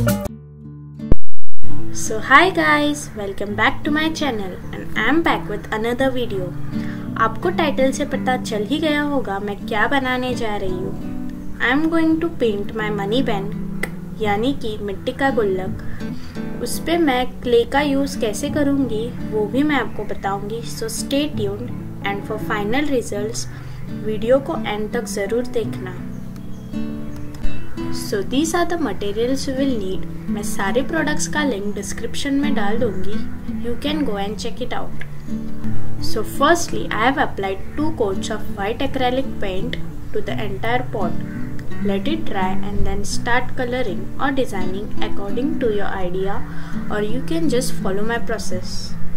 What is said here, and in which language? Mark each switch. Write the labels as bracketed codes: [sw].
[en] Hi guys, welcome back to my channel and I am back with another video. [hi] आपको title से पता चल ही गया होगा मैं क्या बनाने जा रही हूँ. [en] I am going to paint my money bank, [hi] यानी कि मिट्टी का गुल्लक. उस पे मैं क्ले का यूज कैसे करूँगी वो भी मैं आपको बताऊँगी. [en] So stay tuned and for final results, [hi] video को एंड तक जरूर देखना. [en] So these are the materials you will need. [hi] मैं सारे products का link description में डाल दूंगी. [en] You can go and check it out. So firstly, I have applied 2 coats of white acrylic paint to the entire pot. Let it dry and then start coloring or designing according to your idea, or you can just follow my process.